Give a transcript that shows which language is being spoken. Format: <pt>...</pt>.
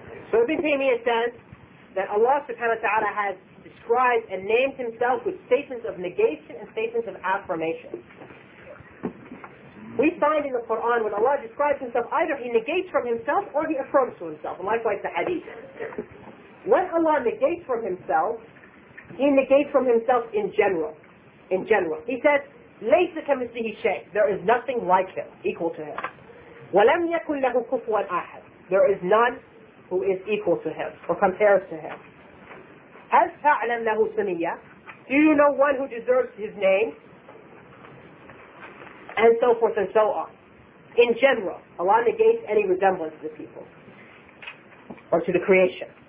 <en>So Ibn Taymiyyah says that Allah subhanahu wa ta'ala has described and named himself with statements of negation and statements of affirmation. We find in the Quran when Allah describes himself, either he negates from himself or he affirms to himself. And likewise the hadith. When Allah negates from himself, he negates from himself in general. In general. He says,</en> <ar>لَيْسَ كَمِثْلِهِ شَيْءٍ.</ar> <en>There is nothing like him, equal to him.</en> <ar>وَلَمْ يَكُنْ لَهُ كُفُوًا أَحَدٍ.</ar> <en>There is none who is equal to him or compares to him.</en> <ar>هَلْ تَعْلَمْ لَهُ سَمِيَّةٍ.</ar> <en>Do you know one who deserves his name? And so forth and so on. In general, Allah negates any resemblance to the people or to the creation.</en>